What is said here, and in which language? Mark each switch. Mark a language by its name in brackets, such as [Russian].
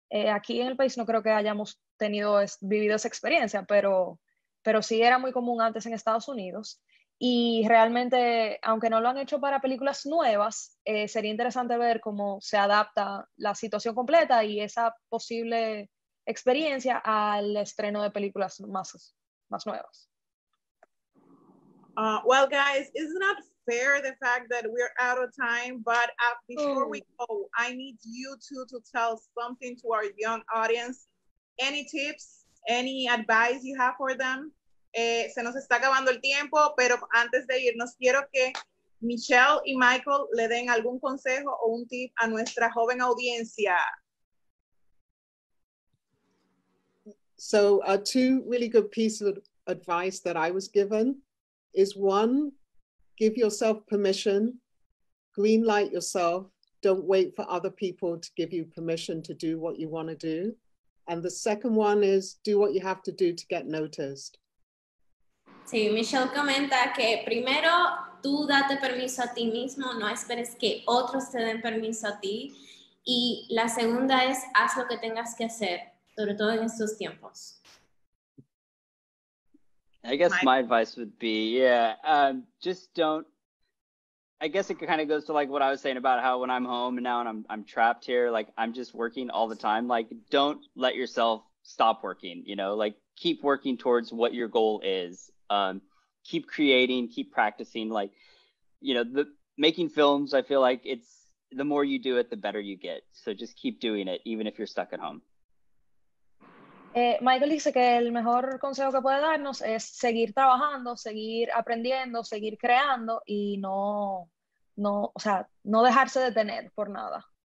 [Spanish] Aquí en el país no creo que hayamos vivido esa experiencia, pero sí era muy común antes en Estados Unidos. Y realmente, aunque no lo han hecho para películas nuevas, sería interesante ver cómo se adapta la situación completa y esa posible experiencia al estreno de películas más nuevas. [English] Well, guys, it's not fair the fact that we're out of time, but before we go, I need you two to tell something to our young audience. Any tips, any advice you have for them? [Spanish] Se nos está acabando el tiempo, pero antes de irnos, quiero que Michelle y Michael le den algún consejo o un tip a nuestra joven audiencia. [English] So two really good pieces of advice that I was given is one, give yourself permission, green light yourself, don't wait for other people to give you permission to do what you want to do. And the second one is do what you have to do to get noticed. [Spanish] Sí, Michelle comenta que primero tú date permiso a ti mismo, no esperes que otros te den permiso a ti. Y la segunda es haz lo que tengas que hacer, sobre todo en estos tiempos. [English] I guess my advice would be, just don't, I guess it kind of goes to like what I was saying about how when I'm home and now and I'm trapped here, like I'm just working all the time. Like, don't let yourself stop working, you know, like keep working towards what your goal is. Keep creating, keep practicing, like, you know, the making films, I feel like it's the more you do it, the better you get. So just keep doing it, even if you're stuck at home. [Spanish] Michael dice que el mejor consejo que puede darnos es seguir trabajando, seguir aprendiendo, seguir creando y no dejarse detener por nada.